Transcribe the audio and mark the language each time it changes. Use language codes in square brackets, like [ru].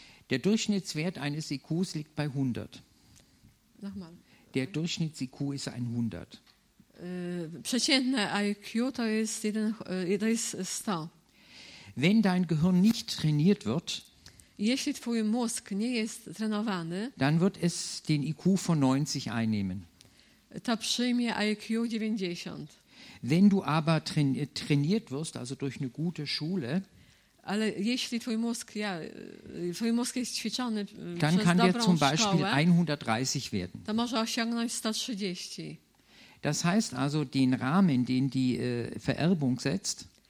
[de] Der Durchschnittswert eines IQs liegt bei 100. Nochmal. Der Durchschnitts-IQ ist 100. [pl] Przeciętne IQ to jest 100. [de] Wenn dein Gehirn nicht trainiert wird, [pl] jeśli twój mózg nie jest trenowany, [de] dann wird es den IQ von 90 einnehmen. [pl] To przyjmie IQ 90. [de] Wenn du aber trainiert wirst, also durch eine gute Schule, [pl] ale jeśli twój mózg jest ćwiczony przez dobrą szkołę, [de] dann kann der zum Beispiel 130 werden. [pl] To może osiągnąć 130. [de] Das heißt also, den Rahmen, den die Vererbung setzt,